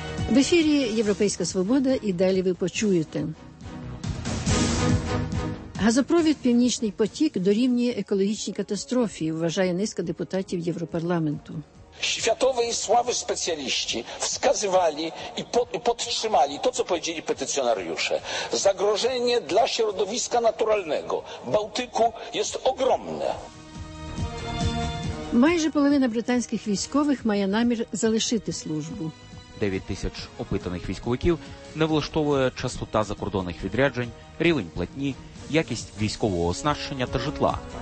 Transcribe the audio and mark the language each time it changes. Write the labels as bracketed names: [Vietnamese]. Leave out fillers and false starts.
[Ukrainian] В ефірі «Європейська свобода» і далі ви почуєте. Газопровід «Північний потік» дорівнює екологічній катастрофі, вважає низка депутатів Європарламенту. [Polish] Światowej sławy specjaliści wskazywali i podtrzymali to, co powiedzieli petycjonariusze. Zagrożenie dla środowiska naturalnego Bałtyku jest ogromne. [Ukrainian] Майже половина британських військових має намір залишити службу. 9 тисяч опитаних військовиків не влаштовує частота закордонних відряджень, рівень платні, якість військового оснащення та житла.